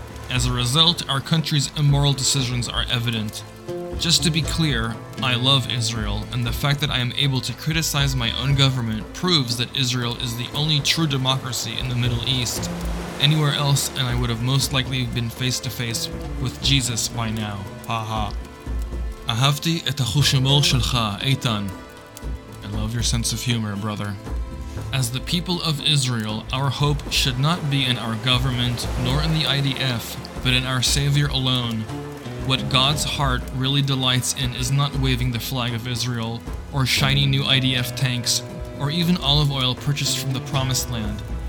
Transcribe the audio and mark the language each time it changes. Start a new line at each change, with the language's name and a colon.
English: As a result, our country's immoral decisions are evident. Just to be clear, I love Israel, and the fact that I am able to criticize my own government proves that Israel is the only true democracy in the Middle East. Anywhere else, and I would have most likely been face to face with Jesus by now. Haha.
Hebrew: אהבתי את החושמור שלך, איתן.
English: I love your sense of humor, brother. As the people of Israel, our hope should not be in our government, nor in the IDF, but in our Savior alone. What God's heart really delights in is not waving the flag of Israel, or shiny new IDF tanks, or even olive oil purchased from the Promised Land.